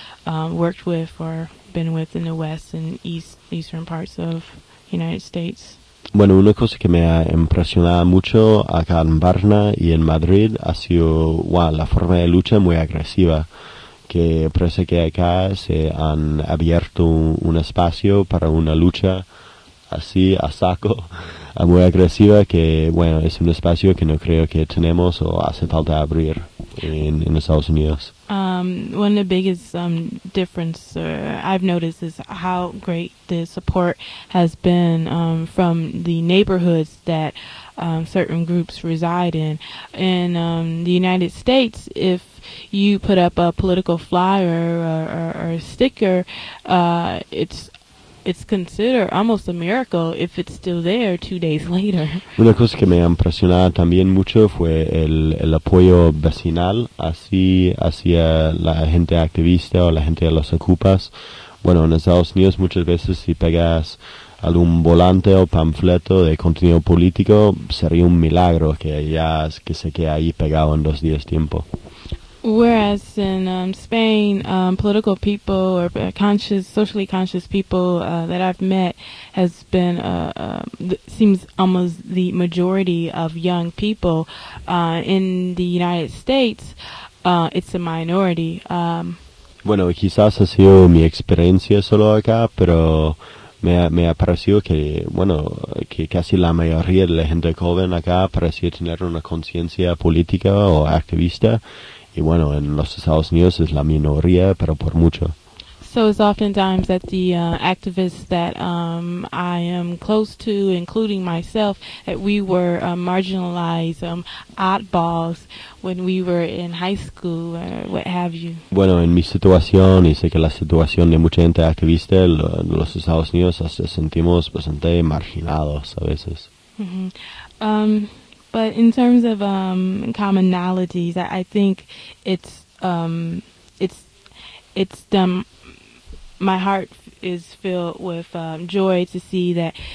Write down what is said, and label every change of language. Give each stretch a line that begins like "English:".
English: worked with or been with in the West and eastern parts of the United States.
Spanish: Bueno, una cosa que me ha impresionado mucho acá en Barna y en Madrid ha sido la forma de lucha muy agresiva, que parece que acá se han abierto un espacio para una lucha así a saco, muy agresiva, que bueno, es un espacio que no creo que tenemos o hace falta abrir en Estados Unidos.
English: One of the biggest differences I've noticed is how great the support has been from the neighborhoods that certain groups reside in. In the United States, if you put up a political flyer or a sticker, it's considered almost a miracle if it's still there 2 days later.
Spanish: Una cosa que me ha impresionado también mucho fue el apoyo vecinal hacia la gente activista o la gente de los ocupas. Bueno, en Estados Unidos muchas veces si pegas algún volante o panfleto de contenido político, sería un milagro que se quede ahí pegado en 2 días tiempo.
English: Whereas in Spain, political people or socially conscious people that I've met has been seems almost the majority of young people. In the United States, it's a minority.
Spanish: Bueno, quizás ha sido mi experiencia solo acá, pero me ha parecido que, bueno, que casi la mayoría de la gente joven acá parecía tener una conciencia política o activista. Y bueno, en los Estados Unidos es la minoría, pero por mucho.
English: So it's oftentimes that the activists that I am close to, including myself, that we were marginalized, oddballs, when we were in high school, or what have you.
Spanish: Bueno, en mi situación, y sé que la situación de mucha gente activista en los Estados Unidos, se sentimos bastante marginados a veces. Mm-hmm.
English: But in terms of commonalities, I think it's my heart is filled with joy to see that